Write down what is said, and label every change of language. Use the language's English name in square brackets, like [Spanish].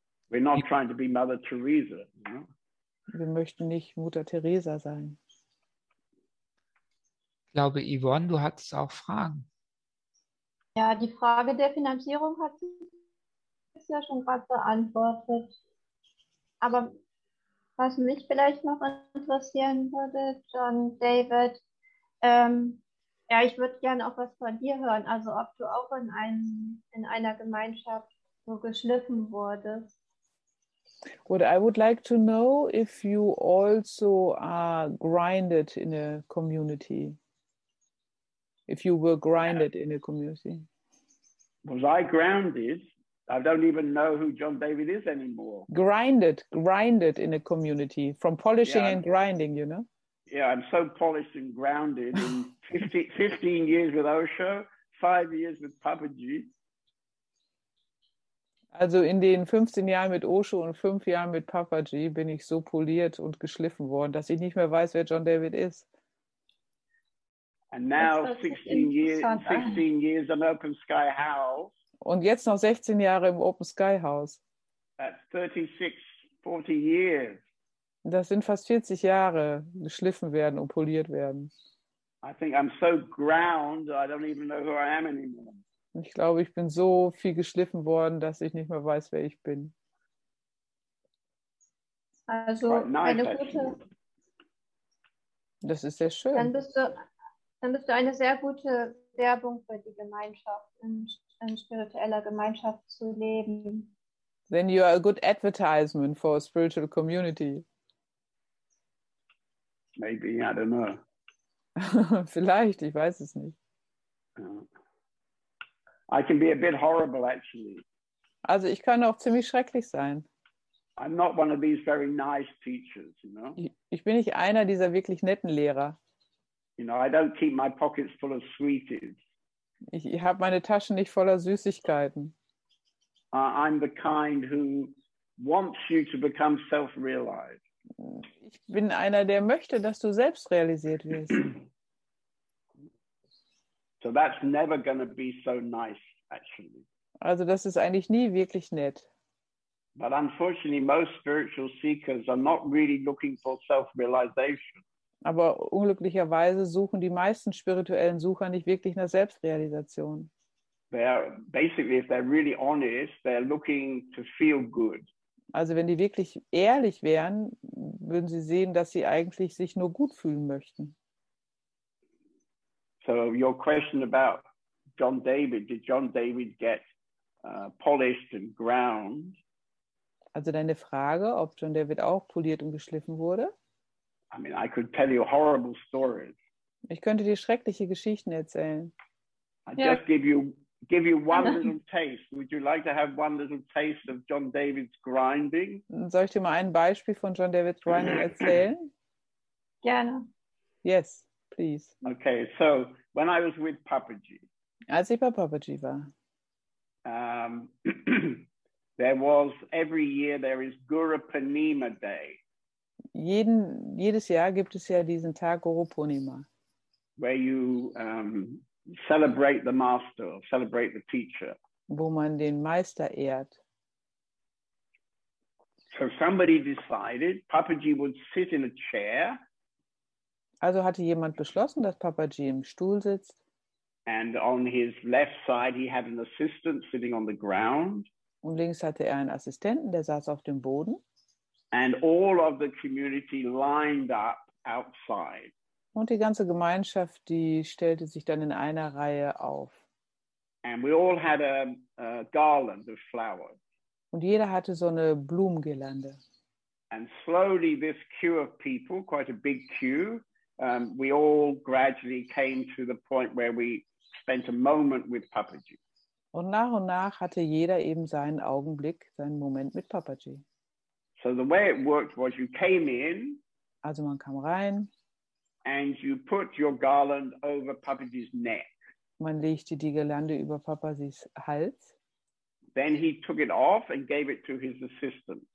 [English] We're not trying to be Mother Teresa, you know? [German] Wir möchten nicht Mutter Teresa sein. Ich glaube, Yvonne, du hattest auch Fragen. Ja, die Frage der Finanzierung hat sich ja schon gerade beantwortet. Aber was mich vielleicht noch interessieren würde, John David, ja, ich würde gerne auch was von dir hören. Also ob du auch in einer Gemeinschaft so geschliffen wurdest. [English] What I would like to know if you also are grinded in a community. If you were grinded in a community. Was I grounded? I don't even know who John David is anymore. Grinded in a community. From polishing and grinding, you know? Yeah, I'm so polished and grounded. In 15 years with Osho, 5 years with Papaji. [German] Also in den 15 Jahren mit Osho und 5 Jahren mit Papaji bin ich so poliert und geschliffen worden, dass ich nicht mehr weiß, wer John David ist. [English] And now 16 years in Open Sky House. [German] Und jetzt noch 16 Jahre im Open Sky House. [English] That's 40 years. [German] Das sind fast 40 Jahre, geschliffen werden und poliert werden. [English] I think I'm so ground, I don't even know who I am anymore. [German] Ich glaube, ich bin so viel geschliffen worden, dass ich nicht mehr weiß, wer ich bin. Also eine gute. Das ist sehr schön. Dann bist du eine sehr gute Werbung für die Gemeinschaft, in spiritueller Gemeinschaft zu leben. [English] Then you are a good advertisement for a spiritual community. Maybe, I don't know. [German] Vielleicht, ich weiß es nicht. [English] I can be a bit horrible, actually. [German] Also ich kann auch ziemlich schrecklich sein. [English] I'm not one of these very nice teachers, you know. [German] Ich bin nicht einer dieser wirklich netten Lehrer. [English] You know, I don't keep my pockets full of sweeties. [German] Ich habe meine Taschen nicht voller Süßigkeiten. [English] I'm the kind who wants you to become self-realized. [German] Ich bin einer, der möchte, dass du selbst realisiert wirst. [English] So that's never going to be so nice, actually. [German] Also das ist eigentlich nie wirklich nett. [English] But unfortunately, most spiritual seekers are not really looking for self-realization. [German] Aber unglücklicherweise suchen die meisten spirituellen Sucher nicht wirklich nach Selbstrealisation. [English] They're basically, if they're really honest, they're looking to feel good. [German] Also wenn die wirklich ehrlich wären, würden sie sehen, dass sie eigentlich sich nur gut fühlen möchten. [English] So your question about John David, did John David get polished and ground? [German] Also deine Frage, ob John David auch poliert und geschliffen wurde? [English] I mean, I could tell you horrible stories. [German] Ich könnte dir schreckliche Geschichten erzählen. [English] I just give you give you one little taste? Would you like to have one little taste of John David's grinding? [German] Soll ich dir mal ein Beispiel von John David's grinding erzählen? Gerne. [English] Yes, please. Okay, so when I was with Papaji. [German] Als ich bei Papaji war. [English] there was every year there is Guru Purnima Day. [German] Jedes Jahr gibt es ja diesen Tag Guru Purnima. [English] Where you celebrate the master, celebrate the teacher. [German] Wo man den Meister ehrt. [English] So somebody decided Papaji would sit in a chair. [German] Also hatte jemand beschlossen, dass Papaji im Stuhl sitzt. [English] And on his left side he had an assistant sitting on the ground. [German] Und links hatte er einen Assistenten, der saß auf dem Boden. [English] And all of the community lined up outside. [German] Und die ganze Gemeinschaft, die stellte sich dann in einer Reihe auf. [English] And we all had a garland of flowers. [German] Und jeder hatte so eine Blumengirlande. [English] And slowly this queue of people, quite a big queue, we all gradually came to the point where we spent a moment with Papaji. [German] Und nach hatte jeder eben seinen Augenblick, seinen Moment mit Papaji. [English] So the way it worked was you came in. [German] Also man kam rein. [English] And you put your garland over Papaji's neck. [German] Man legte die Girlande über Papajis Hals. [English] Then he took it off and gave it to his assistant.